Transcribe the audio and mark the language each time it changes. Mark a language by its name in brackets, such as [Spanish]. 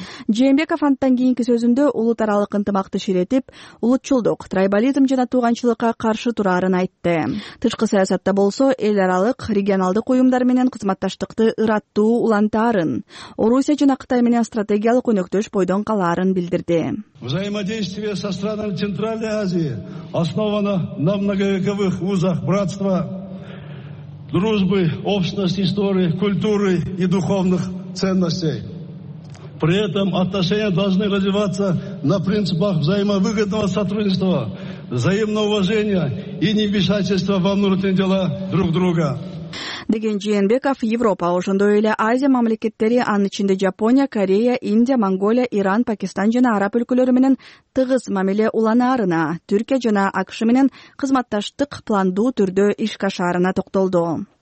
[Kyrgyz] Жээнбеков анттан кийинки сөзүндө улут аралык ынтымакты ширетип, улутчулдук, трайбализм жана тууганчылыкка каршы тураарын айтты. Тышкы саясатта болсо, эл аралык, регионалдык уюмдар менен кызматташтыкты ыраттуу улантаарын, Орусия жана Кытай менен стратегиялык өнөктөш бойдон калаарын билдирди. [Russian] Взаимодействие со странами Центральной Азии основано на многовековых узах братства, дружбы, общности, истории, культуры и духовных ценностей. При этом отношения должны развиваться на принципах взаимовыгодного сотрудничества, взаимного уважения и невмешательства во внутренние дела друг друга. [Kyrgyz] Деген Жээнбеков Европа, ошондой эле Азия мамлекеттери, анын ичинде Жапония, Корея, Индия, Монголия, Иран, Пакистан жана Араб өлкөлөрү менен тыгыз мамиле улануусуна, Түркия жана АКШ менен кызматташтык пландуу түрдө иш кашарына токтолду.